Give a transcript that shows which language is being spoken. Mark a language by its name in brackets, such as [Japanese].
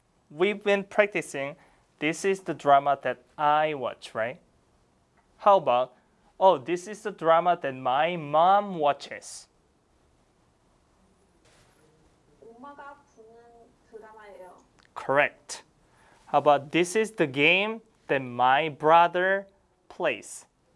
[English] We've been practicing, this is the drama that I watch, right? How about, oh, this is the drama that my mom watches. [Korean] 엄마가 보는 드라마예요. [English] Correct. How about, this is the game that my brother plays.